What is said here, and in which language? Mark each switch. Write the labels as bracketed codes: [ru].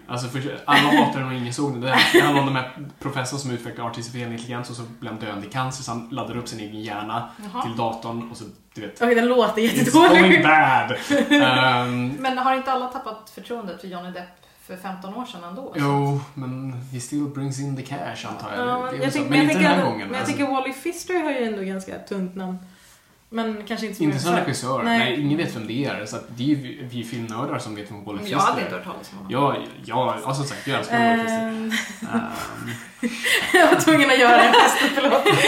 [sv] Alltså, för alla hatade den och ingen såg den. Det handlar om de här professorn som utvecklade artificiell intelligens och så blev döende i cancer, så han laddade upp sin egen hjärna till datorn och så, du vet. Okej, den låter jättedålig. [en] It's going bad. [sv] Men har inte alla tappat förtroendet för Johnny Depp för 15 år sedan ändå? Jo, men [en] he still brings in the cash, [sv] antar jag. Men jag tycker Wall-E Pfister har ju ändå ganska tunt namn. Men kanske inte som regissör. Nej, ingen vet vem det är. Så att det är ju vi filmnördar som vet vem Wall-E Pfister är. Jag har aldrig hört talas om honom. Ja, som sagt, jag älskar Wall-E Pfister. Jag var tvungen att göra en fest, förlåt.